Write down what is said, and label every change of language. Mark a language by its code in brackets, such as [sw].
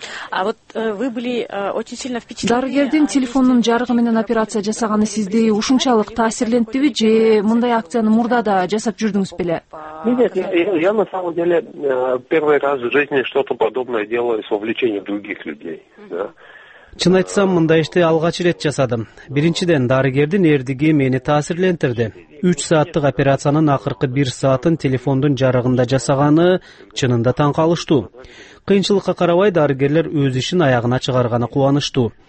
[ru] А вот вы были очень сильно впечатлены. [ky] Дарыгердин телефонунун жарыгы менен операция жасаганы сизди ушунчалык таасирлентиби же мындай акцияны мурда да жасап жүрдүңүз беле? [ru] Я на самом деле первый раз в жизни что-то подобное делаю с вовлечением других людей. [ky] Чын айтсам, мындай ишти алгач ирет жасадым. Биринчиден, дарыгердин эрдиги мени таасирлентирди. 3 сааттык операциянын акыркы 1 саатын телефондун жарыгында жасаганы чынында таң калыштуу. Кыйынчылыкка карабай дарыгерлер өз ишин аягына чыгарганы кубанычтуу.